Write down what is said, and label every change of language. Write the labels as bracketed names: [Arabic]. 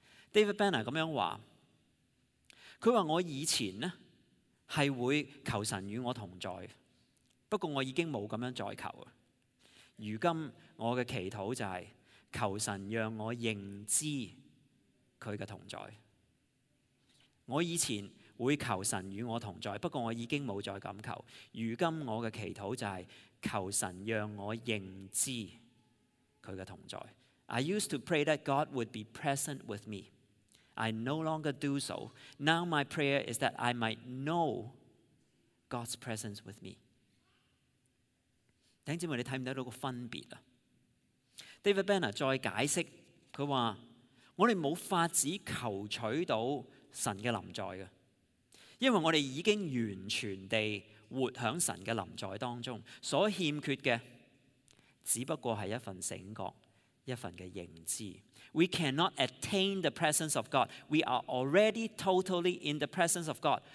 [Chinese] David Banner 这样说，他说我以前是会求神与我同在，不过我已经没有这样再求，如今我的祈祷就是求神让我认知他的同在。我以前会求神与我同在，不过我已经没有再敢求，如今我的祈祷就是求神让我认知祂的同在。 [English] I used to pray that God would be present with me. I no longer do so. Now my prayer is that I might know God's presence with me. [Chinese] 弟兄姊妹，你看不看到个分别？David Banner 再解释，他说我们没有法子求取到神的临在，因为我们已经完全地活在神的临在当中，所欠缺的只不过是一份醒觉，一份的认知。 [English] We cannot attain the presence of God. We are already totally in the presence of God.